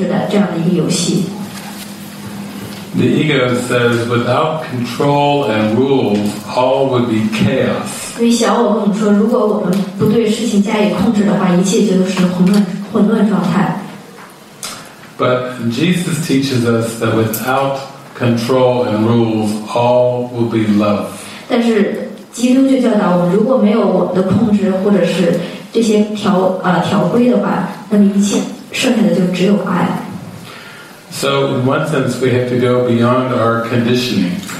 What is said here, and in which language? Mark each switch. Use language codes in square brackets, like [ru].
[zh] 就实际上我们是在自己跟自己玩一个游戏，好像是拥有控制的这样的一个游戏。 [en] The ego says without control and rules all would be chaos. [zh] 因为小我跟我们说，如果我们不对事情加以控制的话，一切就是混乱状态。 [en] But Jesus teaches us that without control and rules all will be love. [zh] 但是基督就教导我们，如果没有我们的控制或者是 这些条规的话，那么一切剩下的就只有爱。 [en] So in one sense, we have to go beyond our conditioning.